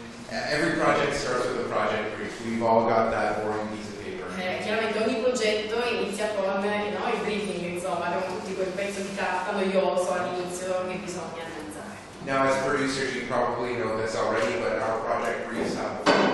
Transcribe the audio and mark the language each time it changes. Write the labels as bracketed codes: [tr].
[en] Every project starts with a project brief. We've all got that boring piece of paper. [it] Chiaramente ogni progetto inizia con il briefing, insomma, con tutti quel pezzo di carta noioso all'inizio che bisogna analizzare. [en] Now as producers you probably know this already, but our project briefs have a